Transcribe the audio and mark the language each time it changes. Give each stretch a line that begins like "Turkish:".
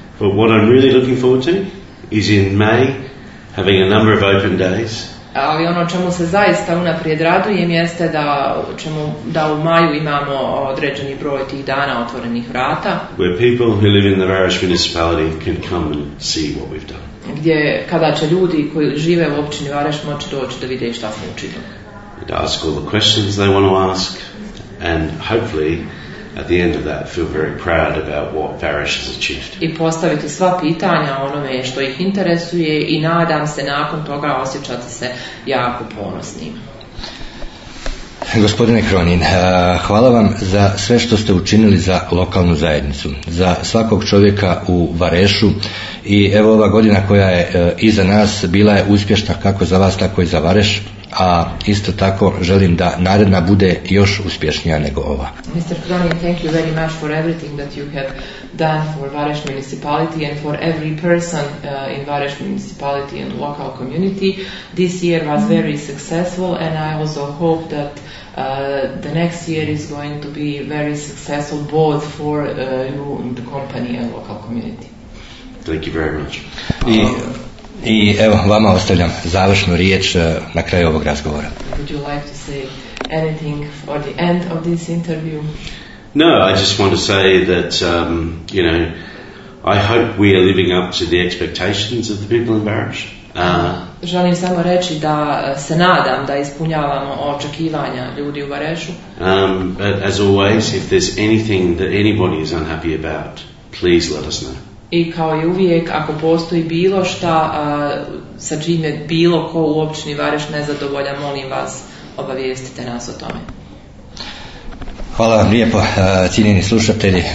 English: But what I'm really looking forward to is in May having a number of open days.
Bosnian: Ali ono čemu se zaista unaprijed radujem jeste da u maju imamo određeni broj tih dana otvorenih vrata.
English: Where people who live in the Vareš municipality can come and see what we've done.
Bosnian: Gdje kada će ljudi koji žive u općini Vareš moći doći da vide šta smo učinili.
English: And ask all the questions they want to ask and hopefully at the end of that feel very proud about what Vareš has achieved.
Bosnian: I postaviti sva pitanja onome što ih interesuje i nadam se nakon toga osjećati se jako ponosnim. Gospodine Kronin, hvala vam za sve što ste učinili za lokalnu zajednicu, za svakog čovjeka u Varešu i evo ova godina koja je iza nas bila je uspješna kako za vas tako i za Vareš. a isto tako želim da naredna bude još uspješnija nego ova.
English: Mr. Kronin, thank you very much for everything that you have done for Vareš municipality and for every person in Vareš municipality and local community. This year was very successful and I also hope that the next year is going to be very successful both for you and the company and local community. Thank you very much.
Bosnian: I evo, vama ostavljam završnu riječ na kraju ovog razgovora.
English: Would you like to say anything for the end of this interview? No, I just want to say that, you know, I hope we are living up to the expectations of the people in Vareš.
Bosnian: Želim samo reći da se nadam da ispunjavamo očekivanja ljudi u Varešu.
English: But as always, if there's anything that anybody is unhappy about, please let us know.
Bosnian: I kao i uvijek, ako postoji bilo šta sa čime bilo ko u općini Vareš nezadovolja, molim vas, obavijestite nas o tome. Hvala vam lijepo, cijenjeni slušatelji.